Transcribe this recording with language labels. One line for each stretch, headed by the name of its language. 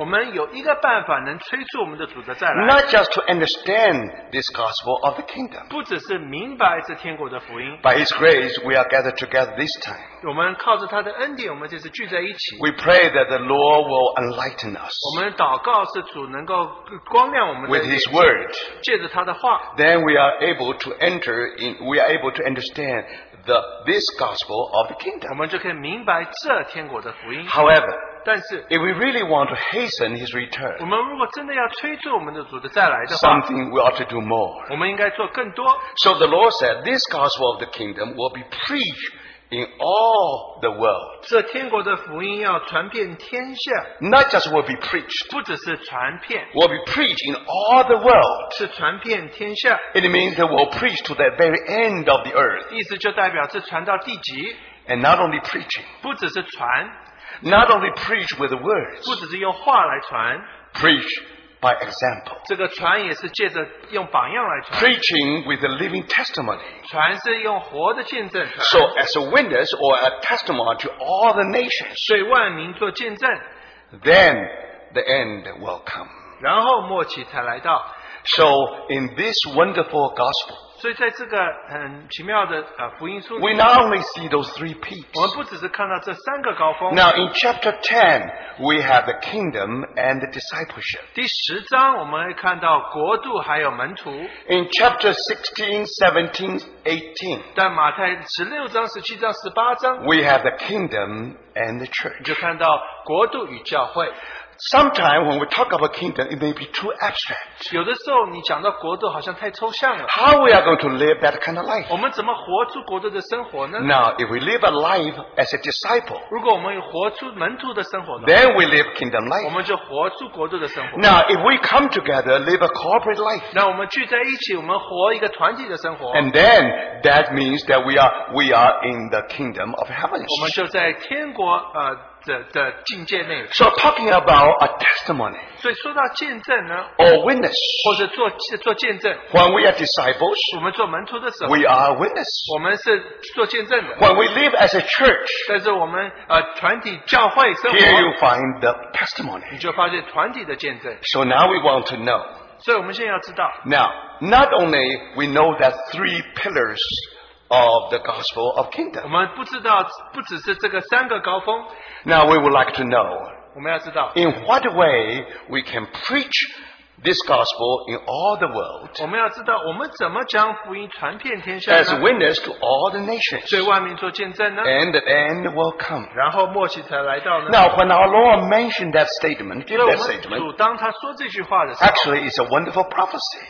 Chinese: 我们有一个办法能催促我们的主的再来,
English: not just to understand this gospel of the kingdom,
Chinese: 不只是明白这天国的福音,
English: by His grace, we are gathered together this time.
Chinese: 我们靠着他的恩典, 我们这次聚在一起,
English: we pray that the Lord will enlighten us,
Chinese: 我们祷告是主能够光亮我们的,
English: with His word,
Chinese: 借着他的话,
English: then we are able to enter in, we are able to understand this gospel of the kingdom. However,
Chinese: 但是,
English: if we really want to hasten His return,
Chinese: 我们如果真的要催促我们的主的再来的话,
English: something we ought to do more.
Chinese: 我们应该做更多。
English: So the Lord said, this gospel of the kingdom will be preached in all the world.
Chinese: 这天国的福音要传遍天下,
English: not just will be preached,
Chinese: 不只是传遍,
English: will be preached in all the world.
Chinese: 是传遍天下,
English: it means that will preach to the very end of the earth.
Chinese: 意思就代表是传到地极,
English: and not only preaching,
Chinese: 不只是传,
English: not only preach with the words,
Chinese: 不只是用话来传,
English: preach by example.
Chinese: 这个传也是借着用榜样来传,
English: preaching with a living testimony.
Chinese: 传是用活的见证传,
English: so as a witness or a testimony to all the nations.
Chinese: 对万民做见证,
English: then the end will come.
Chinese: 然后末期才来到,
English: so in this wonderful gospel,
Chinese: 所以在这个很奇妙的, 福音书里面,
English: we not only see those three peaks.
Chinese: 我们不只是看到这三个高峰,
English: now in chapter 10, we have the kingdom and the discipleship.
Chinese: 第十章我们会看到国度还有门徒,
English: in chapter 16, 17, 18,
Chinese: 但马太16章、17章、18章,
English: we have the kingdom and the church.
Chinese: 就看到国度与教会。
English: Sometimes when we talk about kingdom, it may be too abstract.
Chinese: 有的时候你讲到国度好像太抽象了。
English: How we are going to live that kind of life?
Chinese: 我们怎么活出国度的生活呢?
English: Now, if we live a life as a disciple,
Chinese: 如果我们活出门徒的生活呢?
English: Then we live kingdom life.
Chinese: 我们就活出国度的生活。
English: Now, if we come together, live a corporate life,
Chinese: 那我们聚在一起, 我们活一个团体的生活。
English: And then, that means that we are in the kingdom of heaven.
Chinese: 我们就在天国,
English: so talking about a testimony,
Chinese: 所以说到见证呢,
English: or witness,
Chinese: 或者做见证,
English: when we are disciples,
Chinese: 我们做门徒的时候,
English: we are witness.
Chinese: 我们是做见证的,
English: when we live as a church,
Chinese: 但是我们, 团体教会生活,
English: here you find the testimony.
Chinese: 你就发现团体的见证。
English: So now we want to know.
Chinese: 所以我们现在要知道,
English: now, not only we know that three pillars of the gospel of kingdom,
Chinese: 我们不知道不只是这个三个高峰,
English: now we would like to know,
Chinese: 我们要知道,
English: in what way we can preach this gospel in all the world as a witness to all the nations, and the end will come. Now, when our Lord mentioned that statement, actually, it's a wonderful prophecy.